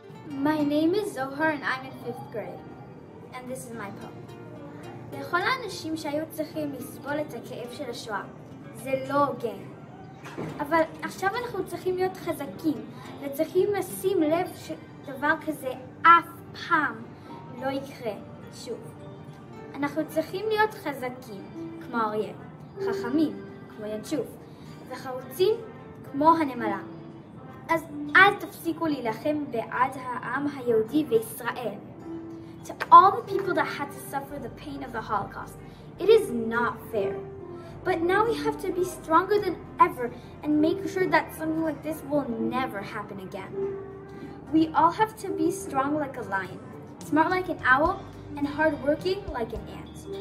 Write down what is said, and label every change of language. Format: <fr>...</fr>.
<en>My name is Zohar and I'm in fifth grade. And this is my poem.</en> <he>לכל האנשים שהיו צריכים לסבול את הכאב של השואה, זה לא הוגן. אבל עכשיו אנחנו צריכים להיות חזקים, וצריכים לשים לב שדבר כזה אף פעם לא יקרה שוב. אנחנו צריכים להיות חזקים, כמו אריה, חכמים, כמו ינשוף, וחרוצים, כמו הנמלה. אז אל תפסיקו להילחם בעד העם היהודי וישראל.</he> <en>To all the people that had to suffer the pain of the Holocaust, it is not fair. But now we have to be stronger than ever and make sure that something like this will never happen again. We all have to be strong like a lion, smart like an owl, and hardworking like an ant.</en>